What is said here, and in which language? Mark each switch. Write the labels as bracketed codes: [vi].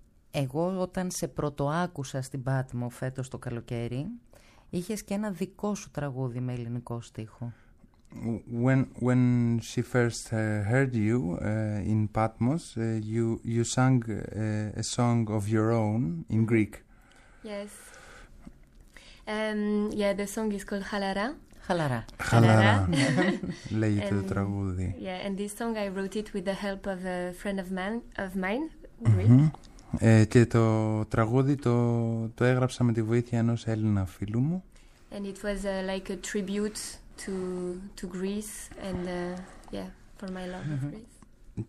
[el] Εγώ όταν σε πρωτοάκουσα στην Πάτμο φέτος το καλοκαίρι, είχες και ένα δικό σου τραγούδι με ελληνικό στίχο. [en] When she first heard you in Patmos, you sang a song of your own in Greek. Yes. Yeah, the song is called Halara. Halara. [el] Halara. Λέγεται το τραγούδι. [en] Yeah, and this song I wrote it with the help of a friend of mine, Greek. [el] Και το τραγούδι το έγραψα με τη βοήθεια ενός Έλληνα φίλου μου. [en] And it was like a tribute to Greece and yeah, for my love of Greece.